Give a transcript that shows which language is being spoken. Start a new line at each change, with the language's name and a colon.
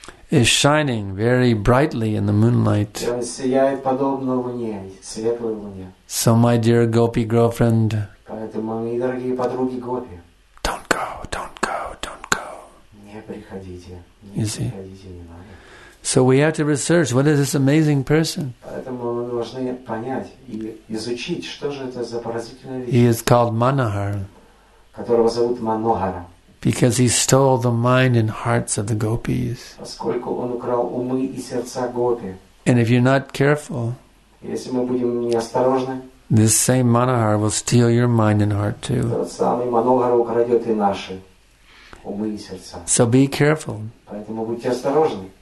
English: Is shining very brightly in the moonlight.
Russian: И он сияет подобно луне, светлой луне.
English: So my dear gopi girlfriend,
Russian: поэтому, мои дорогие подруги гопи,
English: don't go, don't go, don't go.
Russian: Не приходите, не приходите, не надо.
English: So we have to research, what is this amazing person?
Russian: Поэтому мы должны понять и изучить, что же это за поразительная вещь.
English: He is called Manohar.
Russian: Которого зовут Манохара.
English: Because he stole the mind and hearts of the gopis.
Russian: Поскольку он украл умы и сердца гопи.
English: And if you're not careful,
Russian: если мы будем неосторожны,
English: this same Manohar will steal your mind and heart too.
Russian: Тот самый Манохар украдет и наши умы и сердца.
English: So be careful.
Russian: Поэтому будьте осторожны.